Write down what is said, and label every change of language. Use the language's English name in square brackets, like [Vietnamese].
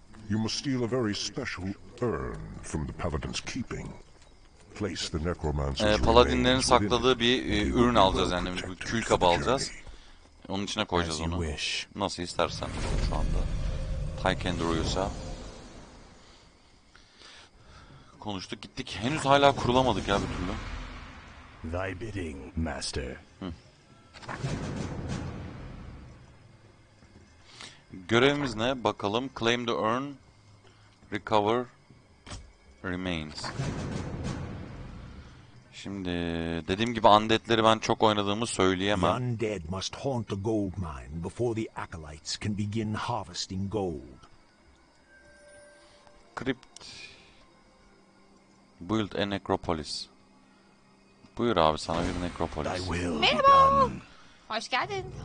[English] You must steal a very special urn from the Paladin's keeping. Place the necromancer's remains. [Turkish] Paladinlerin sakladığı bir ürün alacağız, yani bir kül kabı alacağız. Onun içine koyacağız onu. Nasıl istersen şu anda. Tykendor'uysa. Konuştuk, gittik. Henüz hala kurulamadık ya bir türlü. [English] Thy bidding, master. [Turkish] Görevimiz ne? Bakalım. [English] Claim the urn, recover remains. [Turkish] Şimdi dediğim gibi undead'leri ben çok oynadığımı söyleyemem. [English] Undead must haunt the gold mine before the acolytes can begin harvesting gold. Crypt. Build a necropolis. [Turkish] Buyur abi, sana bir nekropolis. Merhaba. Hoş geldin.